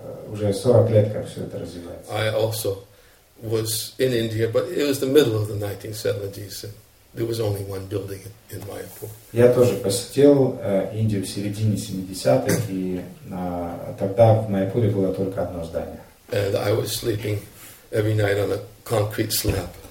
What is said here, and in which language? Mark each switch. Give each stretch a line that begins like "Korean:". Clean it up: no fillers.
Russian: Уже 40 лет, как все это развивается.
English: I also was in India, but it was the middle of the 1970s. And there was only one building in Mayapur.
Russian: Я тоже посетил Индию в середине 70-х, и тогда в Майяпуре было только одно здание.
English: And I was sleeping every night on a concrete slab.